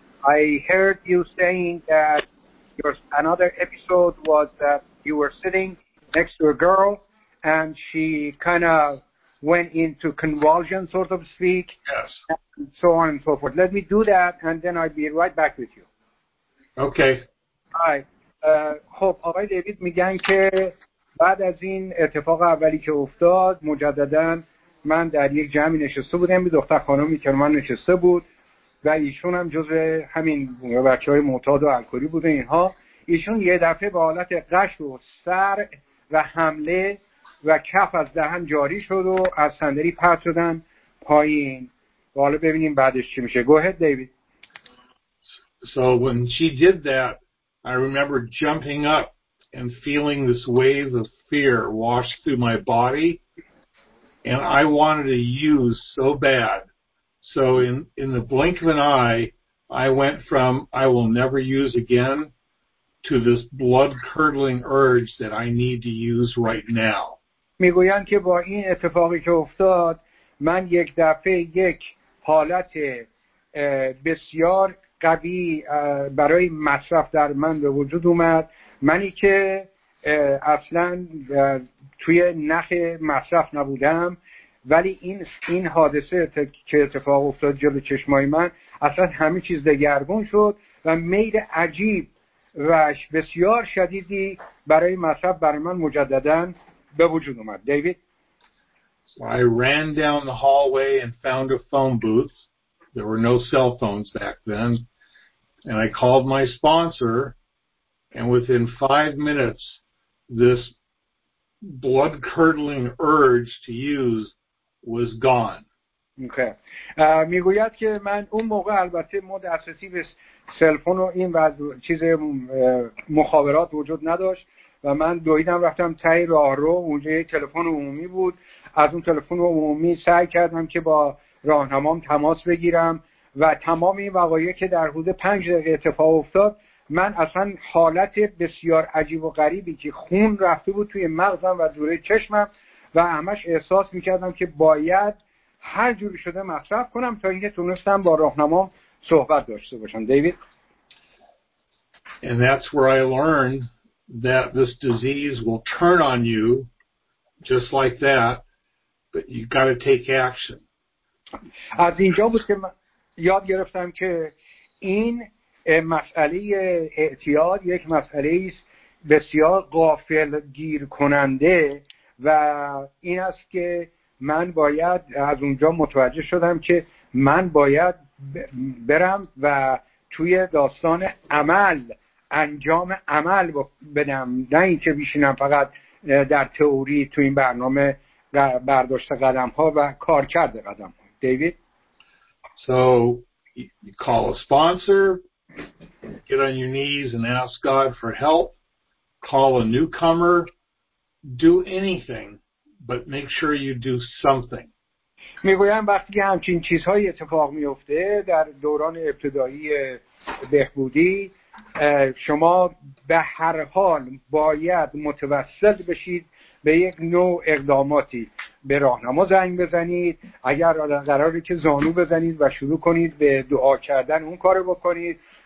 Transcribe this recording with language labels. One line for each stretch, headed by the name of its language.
English: I heard you saying that your another episode was that you were sitting next to a girl and she kind of went into convulsion, sort of speak. Yes. And so on and so forth. Let me do that, and then I'll be right back with you. Okay. Hi.
Persian: خب آقای دیوید میگن که بعد از این اتفاق اولی که افتاد مجددا من در یک جمعی نشسته بودم، یه دختر خانمی که من نشسته بود و ایشون هم جزء همین بچه‌های معتاد و الکلی بوده اینها، ایشون یه دفعه به حالت غش و سر و حمله و کف از دهن جاری شد و از صندلی پرت شدن پایین. حالا ببینیم بعدش چی میشه.
English: Go ahead, David. So when she did that, I remember jumping up and feeling this wave of fear wash through my body, and I wanted to use so bad. So in the blink of an eye, I went from I will never use again to this blood-curdling urge that I need to use right now.
Persian: میگویند که با این اتفاقی که افتاد من یک دفعه یک حالت بسیار قوی برای مصرف در من به وجود اومد، منی که اصلا توی نخ مصرف نبودم، ولی این حادثه که اتفاق افتاد جلو چشمای من اصلا همه چیز دگرگون شد و میل عجیب و بسیار شدیدی برای مصرف برای من مجدداً به وجود اومد. دیوید.
English: So I ran down the hallway and found a phone booth. There were no cell phones back then. And I called my sponsor, and within 5 minutes, this blood-curdling urge to use was gone. Okay.
Persian: میگوید که من اون موقع البته مود اساسی به سلفون و این وضع چیز مخابرات وجود نداشت و من دویدم رفتم ته راه رو، اونجا یه تلفن عمومی بود، از اون تلفن عمومی سعی کردم که با راهنمام تماس بگیرم و تمام این وقایعی که در حدود 5 دقیقه اتفاق افتاد، من اصلا حالت بسیار عجیب و غریبی که خون رفته بود توی مغزم و دوره چشمم و همش احساس میکردم که باید هر جوری شده مصرف کنم تا اینکه تونستم با راهنمام صحبت داشته باشم. دیوید.
English: And that's where I learned that this disease will turn on you just like that, but you got to take action.
Persian: از اینجا بود که یاد گرفتم که این مسئله اعتیاد یک مسئله است بسیار غافل گیر کننده و این است که من باید از اونجا متوجه شدم که من باید برم و توی داستان عمل انجام عمل بدم، نه اینکه بشینم فقط در تئوری تو این برنامه برداشت قدم ها و کار کرده قدم ها. دیوید.
English: So you call a sponsor, get on your knees and ask God for help, call a newcomer, do anything, but make sure you do something.
Persian: میگویم وقتی همچین چیزهای اتفاق میفته در دوران ابتدایی بهبودی، شما به هر حال باید متوسل بشید به یک نوع اقداماتی، به راهنما زنگ بزنید، اگر قراری که زانو بزنید و شروع کنید به دعا کردن اون کارو بکنید،